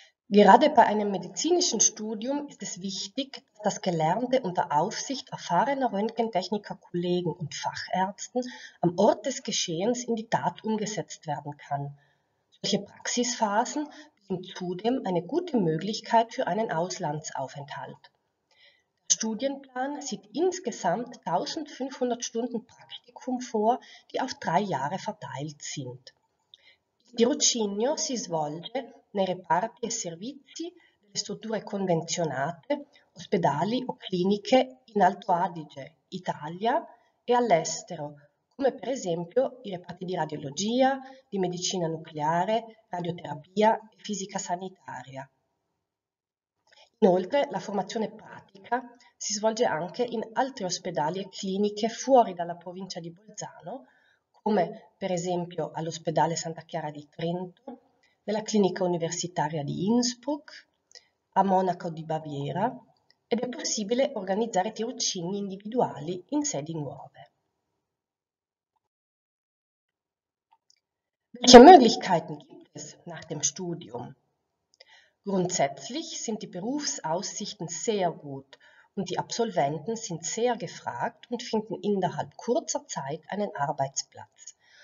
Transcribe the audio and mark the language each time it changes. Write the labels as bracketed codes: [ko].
[de] Gerade bei einem medizinischen Studium ist es wichtig, dass das Gelernte unter Aufsicht erfahrener Röntgentechniker, Kollegen und Fachärzten am Ort des Geschehens in die Tat umgesetzt werden kann. Solche Praxisphasen sind zudem eine gute Möglichkeit für einen Auslandsaufenthalt. Der Studienplan sieht insgesamt 1500 Stunden Praktikum vor, die auf 3 Jahre verteilt sind. [it] Tirocinio si svolge nei reparti e servizi delle strutture convenzionate, ospedali o cliniche in Alto Adige, Italia e all'estero, come per esempio i reparti di radiologia, di medicina nucleare, radioterapia e fisica sanitaria. Inoltre, la formazione pratica si svolge anche in altri ospedali e cliniche fuori dalla provincia di Bolzano, come per esempio all'ospedale Santa Chiara di Trento, nella clinica universitaria di Innsbruck, a Monaco di Baviera, ed è possibile organizzare tirocini individuali in sedi nuove. [de] Welche Möglichkeiten gibt es nach dem Studium? Grundsätzlich sind die Berufsaussichten sehr gut und die Absolventen sind sehr gefragt und finden innerhalb kurzer Zeit einen Arbeitsplatz.